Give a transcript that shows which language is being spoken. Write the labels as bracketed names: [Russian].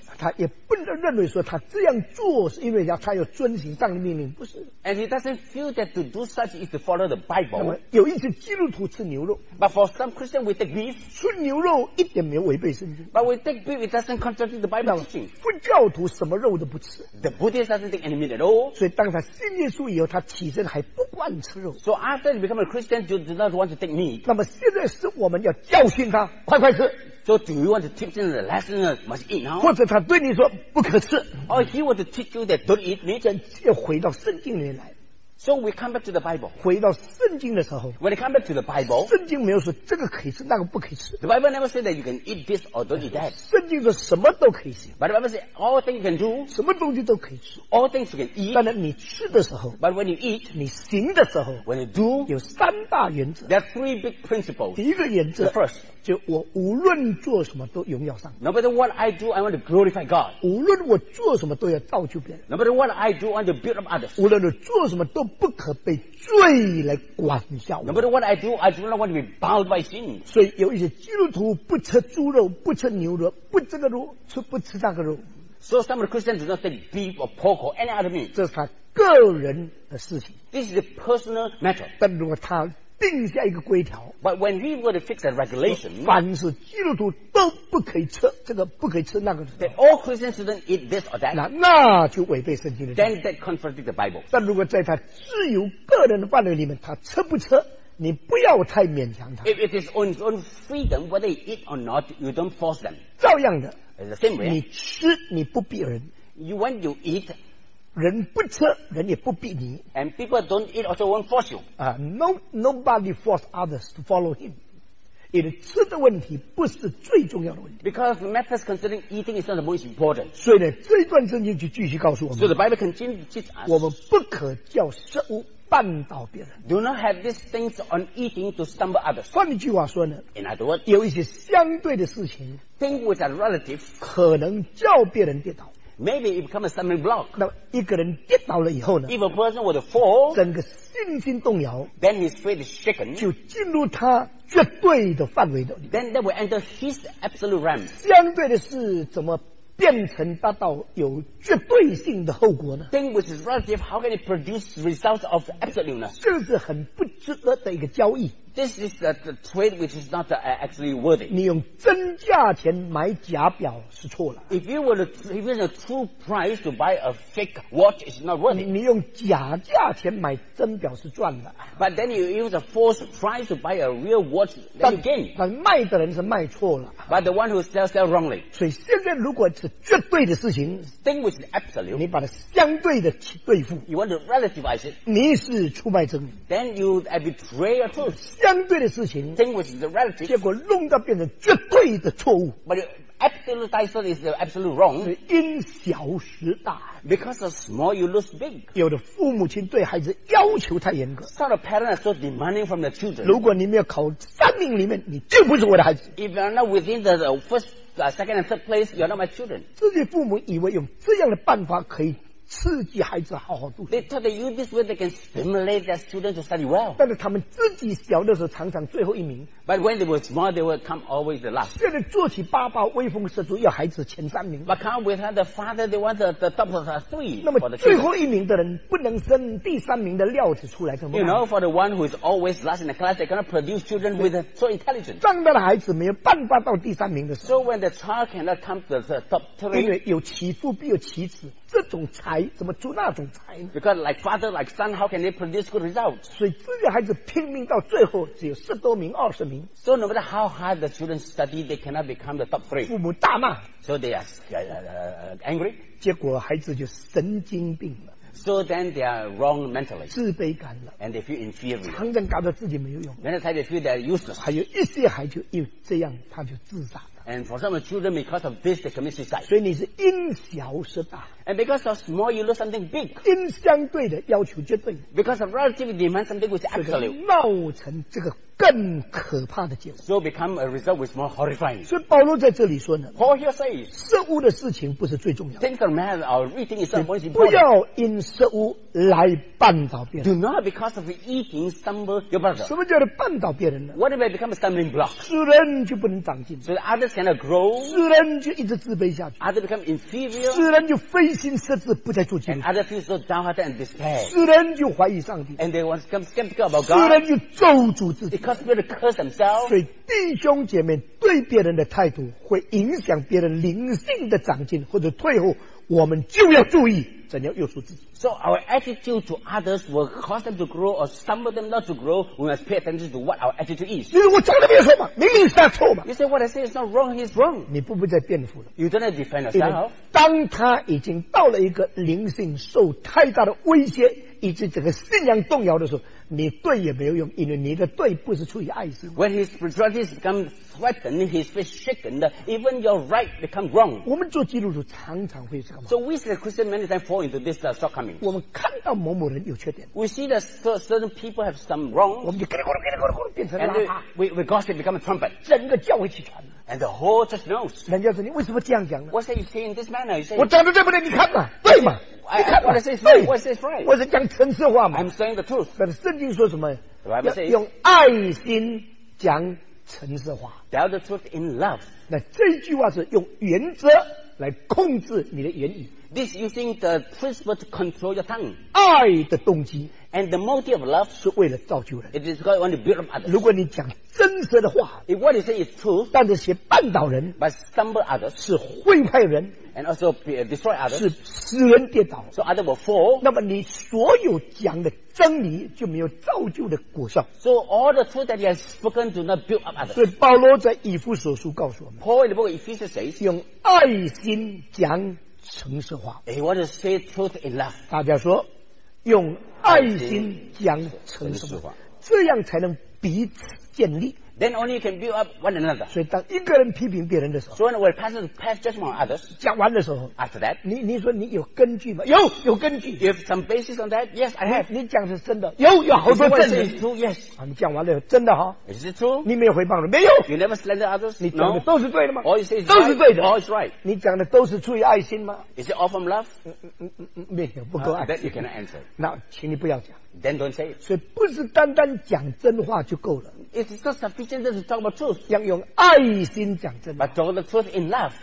[Chinese] 他也不能认为说他这样做是因为他要遵循上帝的命令，不是 [English] ？And he doesn't feel that to do such is to follow the Bible. [Chinese] 有一些基督徒吃牛肉。 [English] But for some Christians, we take beef. [Chinese] 吃牛肉一点没有违背圣经。 [English] But we take beef, it doesn't contradict the Bible teaching. [Chinese] 佛教徒什么肉都不吃 [English] The Buddhist doesn't take any meat at all. [Chinese] 所以当他信耶稣以后，他起身还不惯吃肉。 [English] So after you become a Christian, you do not want to take meat. [Chinese] 那么现在是我们要教训他，快快吃。 [English] So do you want to teach him the lesson that must eat now? [Chinese] 或者他对你说不可吃。 [English] Or he want to teach you that don't eat meat. [Chinese] 这样又回到圣经里面来。 [English] So we come back to the Bible. [Chinese] 回到圣经的时候 [English] When we come back to the Bible, [Chinese] 圣经没有说这个可以吃，那个不可以吃。 [English] The Bible never said that you can eat this or don't eat that. [Chinese] 圣经说什么都可以吃。 [English] But the Bible said all things you can do, [Chinese] 什么东西都可以吃。 [English] All things you can eat. [Chinese] 但是你吃的时候 [English] But when you eat, [Chinese] 你行的时候 [English] When you do, [Chinese] 有三大原则 [English] There are three big principles. [Chinese] 第一个原则 [English] The first, [Chinese] 就我无论做什么都荣耀上帝。 [English] No matter what I do, I want to glorify God. [Chinese] 无论我做什么都要造就别人。 [English] No matter what I do, I want to build up others. [Chinese] 无论我做什么都不可被罪来管教。 [English] No matter what I do, I do not want to be bound by sin. [Chinese] 所以有一些基督徒不吃猪肉，不吃牛肉，不这个肉，吃不吃那个肉。 [English] So some Christians do not take beef or pork or any other meat. [Chinese] 这是他个人的事情。 [English] This is a personal matter. [Chinese] 但如果他定下一个规条 [English] ，But when we were to fix a regulation， [Chinese] 凡是基督徒都不可以吃这个，不可以吃那个。 [English] That all Christians shouldn't eat this or that， [Chinese] 那就违背圣经的。 [English] Then that contradicts the Bible。 [Chinese] 但如果在他自由个人的范围里面，他吃不吃你不要太勉强他。 [English] If it is on its own freedom, whether you eat or not, you don't force them. [Chinese] 照样的。 [English] It's the same way. [Chinese] 你吃，你不逼人。 [English] You when you eat, [Chinese] 人不吃，人也不逼你。 [English] And people don't eat also won't force you. Nobody force others to follow him. [Chinese] It, 吃的问题不是最重要的问题。 [English] Because matters concerning eating is not the most important. [Chinese] 所以呢，这一段圣经就继续告诉我们。 [English] So the Bible continues to teach us. [Chinese] 我们不可叫食物绊倒别人。 [English] Do not have these things on eating to stumble others. [Chinese] 换一句话说呢 [English] ，In other words, [Chinese] 有一些相对的事情 [English] ，things which are relative, [Chinese] 可能叫别人跌倒。 [English] Maybe it becomes a stumbling block. [Chinese] 那么一个人跌倒了以后呢 [English] ？If a person were to fall, [Chinese] 整个信心动摇 [English] ，then his faith is shaken. [Chinese] 就进入他。绝对的范围的 [English] Then they will enter his absolute realm. [Chinese] 相对的是怎么变成达到有绝对性的后果呢 [English] Thing which is relative, how can it produce results of absoluteness? [Chinese] 这是很不值得的一个交易 [English] This is a trade which is not actually worthy. [Chinese] 你用真价钱买假表是错了 [English] If you were a true price to buy a fake watch, it's not worthy. [Chinese] 你用假价钱买真表是赚的 [English] But then you use a false price to buy a real watch, then you gain. [Chinese] 但卖的人是卖错了 [English] But the one who sells wrongly. [Chinese] 所以现在如果是绝对的事情 [English] Thing which is absolute. [Chinese] 你把它相对的去对付 [English] You want to relativize it. [Chinese] 你是出卖真理 [English] Then you betray a truth. [Chinese] 相对的事情 [English] Thing which is relative. [Chinese] 结果弄到变成绝对的错误 [English] But absolute is absolute wrong. [Chinese] 是因小失大 [English] Because of small, you lose big. [Chinese] 有的父母亲对孩子要求太严格 [English] Some of the parents are so demanding from the children. [Chinese] 如果你没有考三名里面，你就不是我的孩子。 [English] If you're not within the first, second, and third place, you're not my children. [Chinese] 这些父母以为用这样的办法可以刺激孩子好好读书。 [English] They thought they use this way they can stimulate their students to study well. [Chinese] 但是他们自己小的时候常常最后一名。 [English] But when they were small, they would come always the last. [Chinese] 现在做起爸爸威风十足，要孩子前三名。 [English] But come with the father, they want the top of the three. [Chinese] 那么最后一名的人不能生第三名的料子出来，怎么办 [English] ？You know, for the one who is always last in the class, they cannot produce children with so intelligent. [Chinese] 长大的孩子没有办法到第三名的时候。 [English] So when the child cannot come to the top three, [Chinese] 因为有其父必有其子。这种才怎么出那种才呢 [English] Because like father, like son, how can they produce good results? [Chinese] 所以这个孩子拼命到最后只有十多名、二十名。 [English] So no matter how hard the children study, they cannot become the top three. [Chinese] 父母大骂。 [English] So they are angry. [Chinese] 结果孩子就神经病了。 [English] So then they are wrong mentally. [Chinese] 自卑感了。 [English] And they feel inferior. [Chinese] 常常搞得自己没有用。 [English] Many times they feel they're useless. [Chinese] 还有一些孩子因为这样他就自杀。 [English] And for some children, because of this, they commit suicide. [Chinese] 所以你是因小失大。 [English] And because of small, you lose something big. [Chinese] 因相对的要求绝对。 [English] Because of relative, demand something which is absolute. [Chinese] 闹成这个更可怕的结果。 [English] So become a result which is more horrifying. [Chinese] 所以保罗在这里说呢。 [English] Paul here says, [Chinese] 食物的事情不是最重要的。 [English] Think of matter or eating is the most important. [Chinese] 不要因食物来绊倒别人。 [English] Do not because of eating stumble your brother. [Chinese] 什么叫做绊倒别人呢 [English] ？What if I become a stumbling block? [Chinese] 世人就不能长进。 [English] So the others cannot grow. [Chinese] 世人就一直自卑下去。 [English] Others become inferior. [Chinese] 世人就非心设置不再做基督。 [English] And others feel so downhearted and despair. [Chinese] 世人就怀疑上帝。 [English] And they want to become skeptical about God. [Chinese] 世人就咒诅自己。 [English] Because people curse themselves. [Chinese] 所以弟兄姐妹对别人的态度会影响别人灵性的长进或者退后。我们就要注意怎样约束自己。 [English] So our attitude to others will cause them to grow or stumble them not to grow. We must pay attention to what our attitude is. [Chinese] 你我讲的没有错嘛？明明是他错嘛 [English] ？You say what I say is not wrong. He's wrong. [Chinese] 你不再辩护了。 [English] You don't have to defend yourself. [Chinese] 因为当他已经到了一个灵性受太大的威胁，以及整个信仰动摇的时候。你对也没有用，因为你的对不是出于爱心。 [English] When his spirituality becomes threatened, his faith shaken, even your right become wrong. [Chinese] 我们做基督徒常常会这样。 [English] So we see Christian many times fall into this shortcoming. [Chinese] 我们看到某某人有缺点。 [English] We see that certain people have some wrong. [Chinese] 我们就咕噜变成喇叭。 [English] And we gossip become a trumpet. [Chinese] 整个教会起传。 [English] And the whole church knows. [Chinese] 人家说你为什么这样讲呢 [English] ？What are you saying in this manner? You say [Chinese] 我讲的对不对？你看嘛，对嘛。 [English] I want to say it's right. What's this right? [Chinese] 我是讲诚实话嘛。 [English] I'm saying the truth. [Chinese] 但是圣经说什么？ [English] The Bible says, [Chinese] 用爱心讲诚实话。 [English] Tell the truth in love. [Chinese] 那这句话是用原则来控制你的言语。 [English] This using the principle to control your tongue. [Chinese] 爱的动机 [English] and the motive of love [Chinese] 是为了造就人。 [English] It is because you want to build up others. [Chinese] 如果你讲真实的话。 [English] If what you say is truth, [Chinese] 但这些绊倒人 [English] ，but stumble others [Chinese] 是毁坏人 [English] ，and also destroy others [Chinese] 是使人跌倒 [English] ，so others will fall。 [Chinese] 那么你所有讲的真理就没有造就的果效。 [English] So all the truth that you have spoken do not build up others。 [Chinese] 所以保罗在以弗所书告诉我们 [English] ，Paul in the book of Ephesians says， [Chinese] 用爱心讲诚实话。 [English] He wants to say truth in love。 [Chinese] 大家说，用爱心讲诚实话。这样才能彼此建立。 [English] Then only you can build up one another. [Chinese] 所以当一个人批评别人的时候 [English] ，So when we pass judgment on others, [Chinese] 讲完的时候 [English] ，After that, [Chinese] 你说你有根据吗？有根据。 [English] You have some basis on that? Yes, I have. [Chinese] 你讲是真的？有好多证据。 [English] True, yes. [Chinese] 啊，你讲完了，真的哈 [English] ？Is it true? [Chinese] 你没有回报了？没有。 [English] You never slander others? [Chinese] 你讲的都是对的吗 [English] ？All you say is [Chinese] 都是对的。 [English] All is right. [Chinese] 你讲的都是出于爱心吗 [English] ？Is it all from love? [Chinese] 没有，不够爱心。 [English] That you cannot answer. [Chinese] 那，请你不要讲。 [English] Then don't say it. [Chinese] 所以不是单单讲真话就够了。 [English] It's not sufficient to talk about truth. [Chinese] 要用爱心讲真话。 [English] But talk the truth in love.